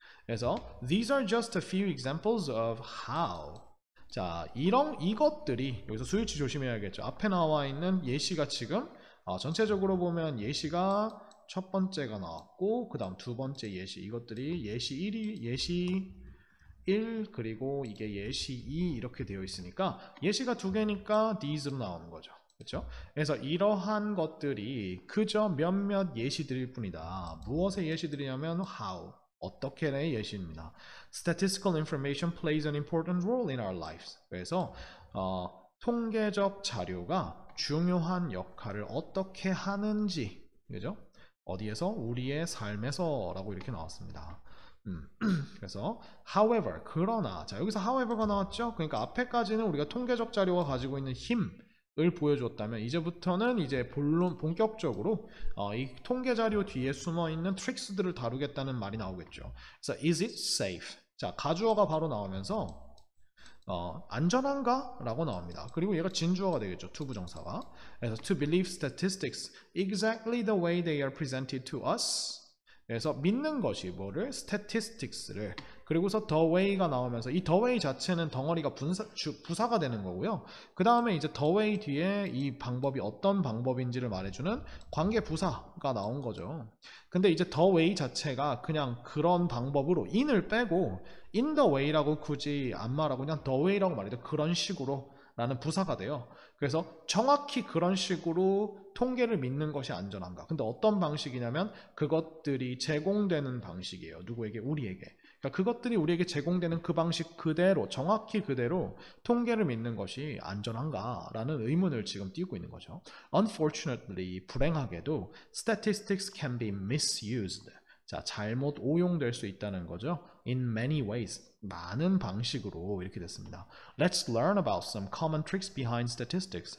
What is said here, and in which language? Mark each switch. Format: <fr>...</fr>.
<en>그래서 these are just a few examples of how.</en> <ko>자, 이런 이것들이 여기서 수유치 조심해야겠죠. 앞에 나와 있는 예시가 지금 전체적으로 보면 예시가 첫 번째가 나왔고 그다음 두 번째 예시, 이것들이 예시 1이 예시 1 그리고 이게 예시 2 이렇게 되어 있으니까 예시가 두 개니까 these로 나오는 거죠. 그렇죠? 그래서 이러한 것들이 그저 몇몇 예시들일 뿐이다. 무엇의 예시들이냐면 how, 어떻게의 예시입니다.</ko> <en>Statistical information plays an important role in our lives.</en> <ko>그래서 통계적 자료가 중요한 역할을 어떻게 하는지, 그죠? 어디에서 우리의 삶에서라고 이렇게 나왔습니다. 그래서 however, 그러나, 자 여기서 however가 나왔죠? 그러니까 앞에까지는 우리가 통계적 자료가 가지고 있는 힘 을 보여줬다면 이제부터는 이제 본론 본격적으로 이 통계 자료 뒤에 숨어 있는 트릭스들을 다루겠다는 말이 나오겠죠.</ko> <en>그래서 is it safe?</en> <ko>자, 가주어가 바로 나오면서 안전한가라고 나옵니다. 그리고 얘가 진주어가 되겠죠. to 부정사가.</ko> <en>그래서 to believe statistics exactly the way they are presented to us.</en> <ko>그래서 믿는 것이 뭐를? statistics를. 그리고서 the way가 나오면서 이 the way 자체는 덩어리가 부사가 되는 거고요. 그 다음에 이제 the way 뒤에 이 방법이 어떤 방법인지를 말해주는 관계 부사가 나온 거죠. 근데 이제 the way 자체가 그냥 그런 방법으로 in을 빼고 in the way라고 굳이 안 말하고 그냥 the way라고 말해도 그런 식으로 라는 부사가 돼요. 그래서 정확히 그런 식으로 통계를 믿는 것이 안전한가? 근데 어떤 방식이냐면 그것들이 제공되는 방식이에요. 누구에게? 우리에게. 그것들이 우리에게 제공되는 그 방식 그대로, 정확히 그대로 통계를 믿는 것이 안전한가라는 의문을 지금 띄우고 있는 거죠.</ko> <en>Unfortunately,</en> <ko>불행하게도</ko> <en>statistics can be misused.</en> <ko>자, 잘못 오용될 수 있다는 거죠.</ko> <en>In many ways,</en> <ko>많은 방식으로 이렇게 됐습니다.</ko> <en>Let's learn about some common tricks behind statistics.</en>